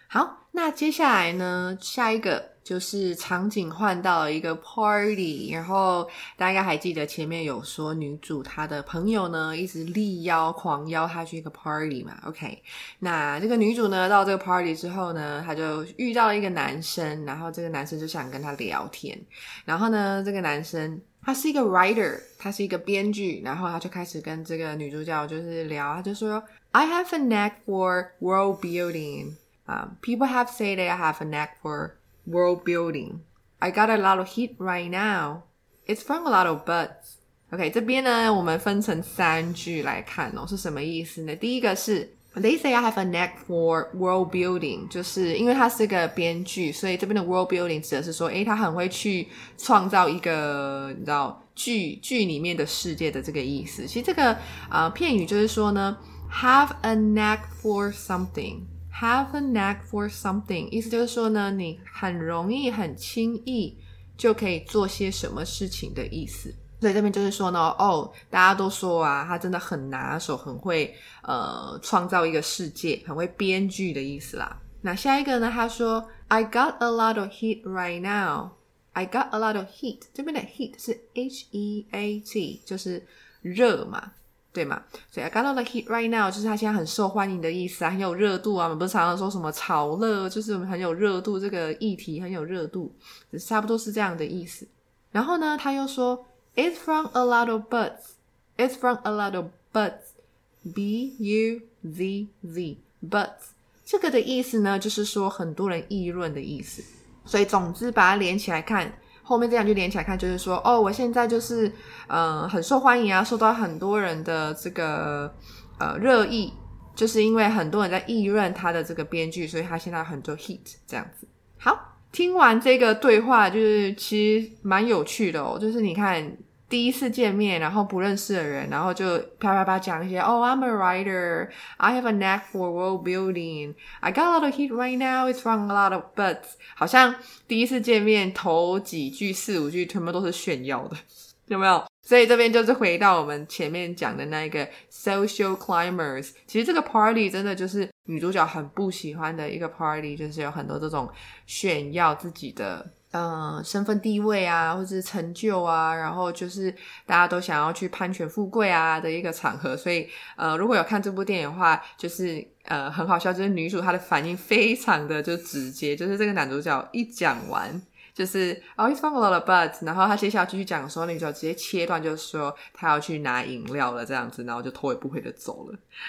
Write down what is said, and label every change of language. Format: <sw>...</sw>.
<zh>好，那接下来呢，下一个就是场景换到了一个 party, 然后大家应该还记得前面有说女主她的朋友呢一直力邀狂邀她去一个 party 嘛， OK, 那这个女主呢到这个 party 之后呢，她就遇到了一个男生，然后这个男生就想跟她聊天，然后呢这个男生他是一个 writer, 他是一个编剧，然后他就开始跟这个女主角就是聊，他就说</zh> <en>I have a knack for world building, people have said I have a knack forworld building. I got a lot of heat right now. It's from a lot of buds.</en> <zh>OK, 这边呢我们分成三句来看哦，是什么意思呢？第一个是</zh> <en>They say I have a knack for world building,</en> <zh>就是因为他是个编剧，所以这边的 world building 指的是说他很会去创造一个你知道剧里面的世界的这个意思。其实这个片语就是说呢</zh> <en>have a knack for somethingHave a knack for something,</en> <zh>意思就是说呢，你很容易很轻易就可以做些什么事情的意思。所以这边就是说呢，大家都说啊，他真的很拿手，很会创造一个世界，很会编剧的意思啦。那下一个呢，他说</zh> <en>I got a lot of heat right now. I got a lot of heat.</en> <zh>这边的 heat 是 H-E-A-T, 就是热嘛。对嘛，所以</zh> <en>I got a lot of heat right now</en> <zh>就是他现在很受欢迎的意思啊，很有热度啊，我们不是常常说什么炒热，就是很有热度，这个议题很有热度，差不多是这样的意思。然后呢他又说</zh> <en>It's from a lot of buzz. It's from a lot of buzz.</en> <zh>B-U-Z-Z buzz 这个的意思呢就是说很多人议论的意思，所以总之把它连起来看，后面这两句连起来看，就是说哦，我现在就是很受欢迎啊，受到很多人的这个热议，就是因为很多人在议论他的这个编剧，所以他现在很多 heat 这样子。好，听完这个对话就是其实蛮有趣的哦，就是你看第一次见面然后不认识的人，然后就啪啪啪讲一些</zh> <en>Oh, I'm a writer. I have a knack for world building. I got a lot of heat right now. It's from a lot of buzz.</en> <zh>好像第一次见面头几句四五句全部都是炫耀的，有没有？所以这边就是回到我们前面讲的那一个 social climbers. 其实这个 party 真的就是女主角很不喜欢的一个 party, 就是有很多这种炫耀自己的身份地位啊，或是成就啊，然后就是大家都想要去攀权富贵啊的一个场合，所以如果有看这部电影的话，就是很好笑，就是女主她的反应非常的就直接，就是这个男主角一讲完就是</zh> <en>Oh, he's from a lot of buzz,</en> <zh>然后他接下来继续讲的时候，女主角直接切断，就说他要去拿饮料了这样子，然后就头也不回的走了。</zh>